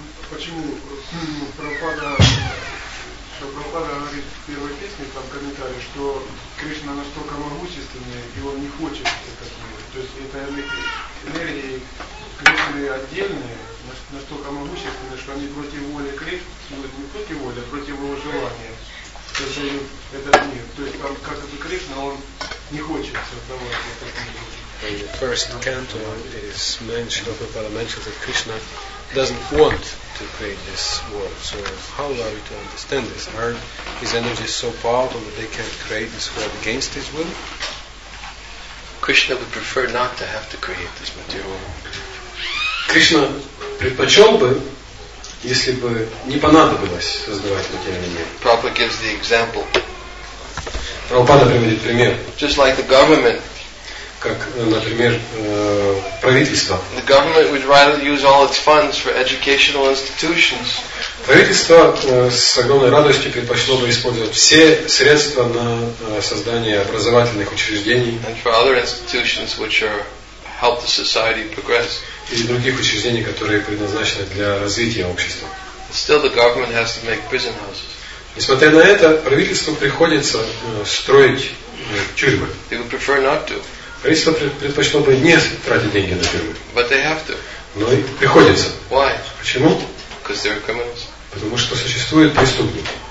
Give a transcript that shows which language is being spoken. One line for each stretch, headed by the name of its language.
Russian: Почему Прабхупада говорит в первой песне, там в комментарии, что Кришна настолько могущественный, и он не хочет это мир. То есть это энергии Кришны отдельные, настолько могущественные, что они против воли Кришны, ну, не против воли, а против его желания создают этот мир. То есть там как это Кришна, он не хочет создавать этот мир.
English: In the first canto, Prabhupada mentions that Krishna doesn't want to create this world. So how are we to understand this? Are his energies so powerful that they can't create this world against his will? Krishna would prefer not to have to create this material world.
Russian: Krishna предпочел бы, если бы не понадобилось создавать материальный мир.
English: Prabhupada gives the example.
Russian: Prabhupada приводит пример.
English: Just like the government.
Russian: Как, например, правительство.
English: The government would rather use all its funds for educational institutions.
Russian: Правительство с огромной радостью предпочло бы использовать все средства на создание образовательных учреждений.
English: And for other institutions which are help the society progress.
Russian: И других учреждений, которые предназначены для развития общества.
English: Still, the government has to make prison houses.
Russian: Несмотря на это, правительству приходится строить тюрьмы.
English: They would prefer not to.
Russian: Правительство предпочло бы не тратить деньги на тюрьмы.
English: But they have to.
Russian: Но и приходится.
English: Why?
Russian: Почему?
English: Because there are criminals.
Russian: Потому что существуют преступники.